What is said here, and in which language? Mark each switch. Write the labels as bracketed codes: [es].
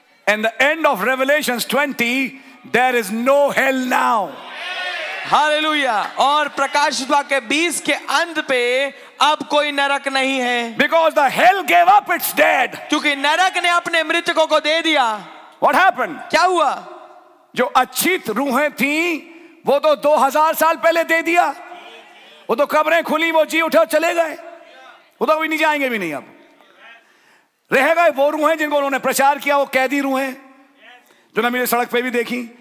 [en] And the end of Revelations 20, there is no hell now. Hallelujah. [hi] और प्रकाशवा के 20 के अंत पे अब कोई नरक नहीं है. [en] Because the hell gave up its dead. [hi] क्योंकि नरक ने अपने मृतकों को दे दिया. [en] What happened? [hi] क्या हुआ? जो अच्छी रूहें थी वो तो 2000 साल पहले दे दिया. वो तो कब्रें खुली, वो जी उठे चले गए. वो तो अभी नहीं जाएंगे भी नहीं. अब रह गए वो रूहें जिनको उन्होंने प्रचार किया, वो कैदी रूहें जो ना मेरे सड़क पे भी देखी.